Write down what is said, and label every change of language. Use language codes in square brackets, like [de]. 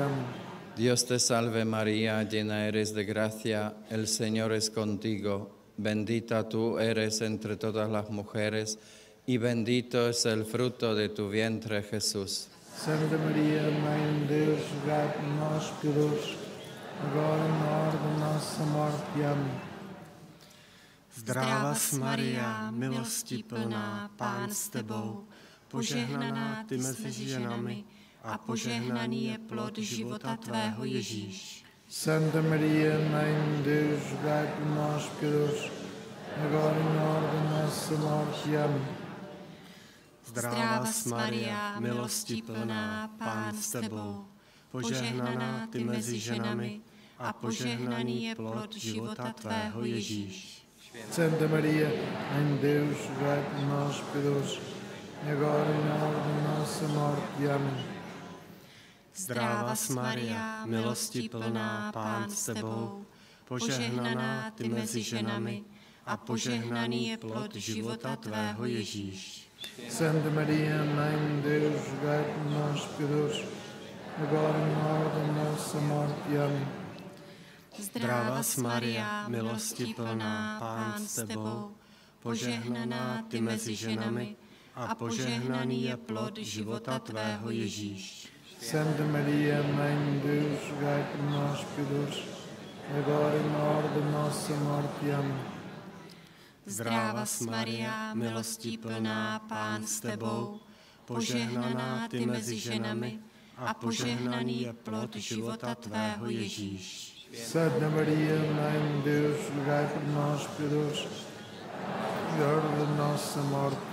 [es] Amén. Dios te salve María, llena eres de gracia, el Señor es contigo. Bendita tú eres entre todas las mujeres, y bendito es el fruto de tu vientre, Jesús. [pt] Santa María, Mãe de Deus, rogai por nós, pecadores, agora e na hora da nossa morte. Amém. [cs] Zdravas, Maria, milosti plná, Pán s tebou, požehnaná ty mezi ženami a požehnaný je plod života tvého, Ježíš. [pt] Santa María, Mãe de Deus, rogai por nós, pecadores, agora e na hora da nossa morte. Amém. [cs] Zdravas, Maria, milosti plná, Pán s tebou, požehnaná ty mezi ženami a požehnaný je plod života tvého, Ježíš. [pt] Santa Maria, Mãe de Deus, rogai por nós, pecadores, agora e na hora da nossa morte. Amém. [cs] Zdravas, Maria, milosti plná, Pán s tebou, požehnaná ty mezi ženami a požehnaný je plod života tvého, Ježíš. [pt] Santa Maria, Mãe de Deus, rogai por nós, pecadores, agora e na hora da nossa morte. Amém. [cs] Zdravas, Maria, milosti plná, Pán s tebou, požehnaná ty mezi ženami a požehnaný je plod života tvého, Ježíš. [pt] Santa Maria, Mãe de Deus, rogai por nós, pecadores, agora e na hora da nossa morte. Amém. [cs] Zdravas, Maria, milosti plná, Pán s tebou, požehnaná ty mezi ženami a požehnaný je plod života tvého, Ježíš. [pt] Santa Maria, Mãe de Deus, rogai por nós, pecadores, agora e na hora da nossa morte.